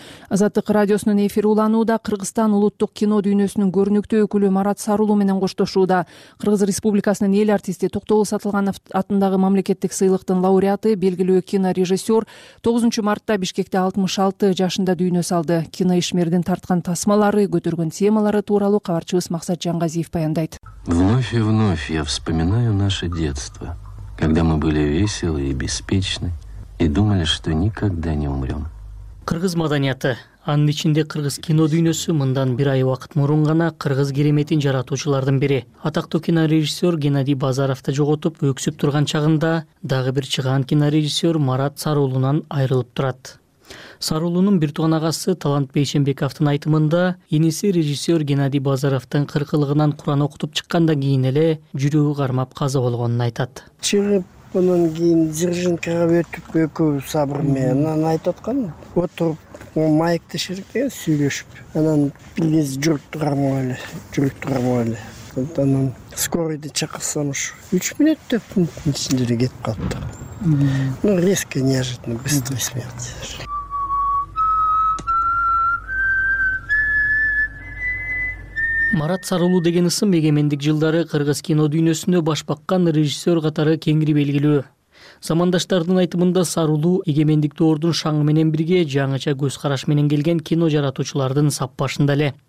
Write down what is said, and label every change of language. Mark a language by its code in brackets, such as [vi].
[ky] Азаттык радиосунун эфири уланууда. Кыргызстан улуттук кино дүйнөсүнүн көрүнүктүү өкүлү Марат Сарулу менен коштошууда. Кыргыз Республикасынын эл артисти Токтогул Сатылганов атындагы мамлекеттик сыйлыктын лауреаты, белгилүү кинорежиссер 9 мартта Бишкекте 66 жашында дүйнө салды. Кино ишмердин тарткан тасмалары, көтөргөн темалары тууралуу кабарчыбыз Максат Жангазиев баяндайт. [ru] Вновь и вновь я вспоминаю наше детство, когда мы были веселы и беспечны и думали, что никогда не умрем. [ky] Кыргыз маданияты, анын ичинде кыргыз кино дүйнөсү мындан бир ай убакыт мурун гана кыргыз кереметин жаратуучулардын бири, атактуу кинорежиссер Геннадий Базаровду жоготуп өксүп турган чагында дагы бир чыгаан кинорежиссер Марат Сарулунан айрылып турат. Сарулунун бир тууган агасы Талант Бейшенбековдун айтымында, иниси режиссер Геннадий Базаровдун кыркылыгынан куран окутуп чыккандан кийин эле жүрөгү кармап каза болгонун айтат. Чыгып анан кийин дзержинкага өтүп экөөбүз сабыр менен анан айтып аткан отуруп Ол майкты шерке сүйлөшүп, анан билиз жүрүп турганбы эле, жүрүп турганбы эле. Анан скорыйды чакырсам уш 3 мүнөттө пунктун ичинде кетип калды. [ru] Ну резко неожиданно быстрый смерть. [ky] Марат Сарылуу деген ысым эгемендик жылдары кыргыз кино дүйнөсүндө баш баккан режиссер катары кеңири белгилүү. Замандаштардын айтымында Сарылуу эгемендик доордун шаңы менен бирге жаңыча көз караш менен келген кино жаратуучулардын сап башында эле.